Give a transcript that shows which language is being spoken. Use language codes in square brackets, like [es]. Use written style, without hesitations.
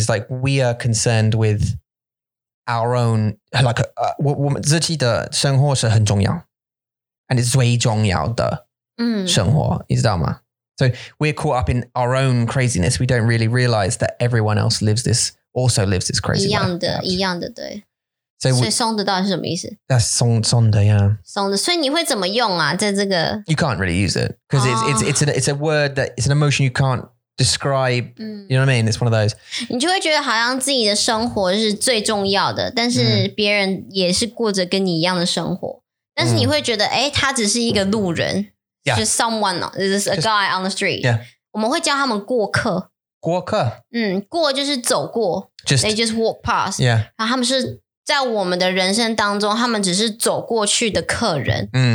[en] It's like, we are concerned with our own, like, [zh] 我们自己的生活是很重要, [en] and it's [zh] 最重要的生活, 你知道吗? [en] So we're caught up in our own craziness. We don't really realize that everyone else also lives this crazy [zh] 一样的, [en] life. [zh] 一样的,对。 So,松的到底是什么意思? [en] That's sonder, yeah. [zh] 松的,所以你会怎么用啊? 在这个... [en] You can't really use it. Because it's a word that, it's an emotion you can't describe. You know what I mean? It's one of those. [zh] 你就会觉得好像自己的生活是最重要的, 但是别人也是过着跟你一样的生活。但是你会觉得, 诶,他只是一个路人。 [en] Yeah. Just someone, just a guy on the street. Yeah. [zh] 我们会叫他们过客。过客? 过就是走过。 [en] They just walk past. Yeah. [zh] 然后他们是在我们的人生当中,他们只是走过去的客人。